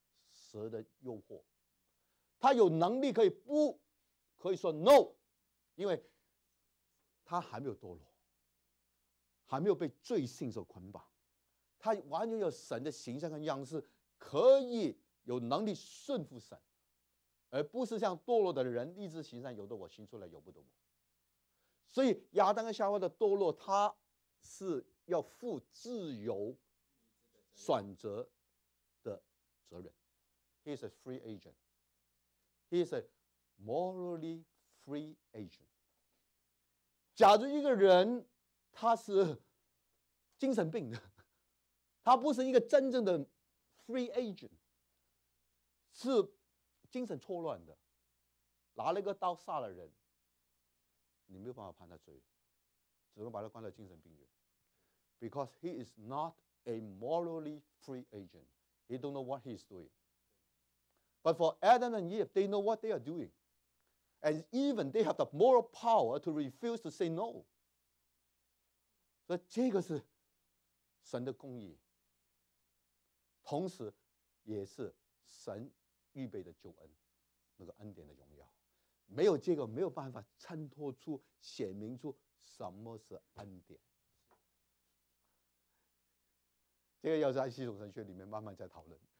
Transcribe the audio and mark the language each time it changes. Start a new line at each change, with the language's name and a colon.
Chinese: 蛇的诱惑，他有能力可以不，可以说 no， 因为他还没有堕落，还没有被罪性所捆绑，他完全有神的形象跟样式，可以有能力顺服神，而不是像堕落的人立志行善，由得我行出来，由不得我。所以亚当跟夏娃的堕落，他是要负自由选择的责任。
English: He is a free agent. He is a morally free agent.
Chinese: 假如一个人他是精神病的，他不是一个真正的 free agent， 是精神错乱的，拿了一个刀杀了人，你没有办法判他罪，只能把他关在精神病院。
English: Because he is not a morally free agent. He don't know what he is doing. But for Adam and Eve, they know what they are doing. And even they have the moral power to refuse to say no.
Chinese: 所以这个是神的公义，同时也是神预备的救恩，那个恩典的荣耀。没有这个，没有办法衬托出显明出什么是恩典，这个要在系统神学里面慢慢再讨论。